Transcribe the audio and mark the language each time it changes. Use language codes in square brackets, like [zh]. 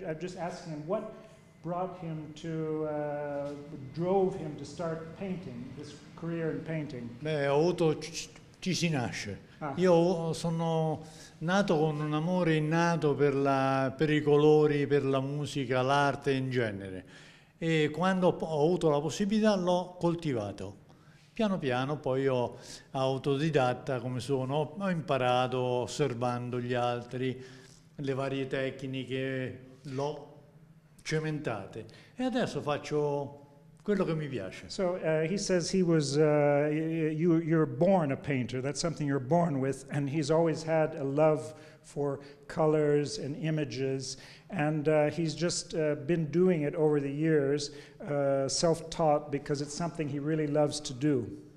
[en] I'm just asking him what brought him to, drove him to start painting, this career in painting. [it] Beh, ho avuto, ci si nasce. Ah. Io sono nato con un amore innato per i colori, per la musica, l'arte in genere. E quando ho avuto la possibilità l'ho coltivato. Piano piano poi ho autodidatta come sono, ho imparato osservando gli altri, le varie tecniche, l'ho cementate. E adesso faccio quello che mi piace. [en] So he says he was you're born a painter, that's something you're born with, and he's always had a love for colors and images, and he's just been doing it over the years, self-taught, because it's something he really loves to do.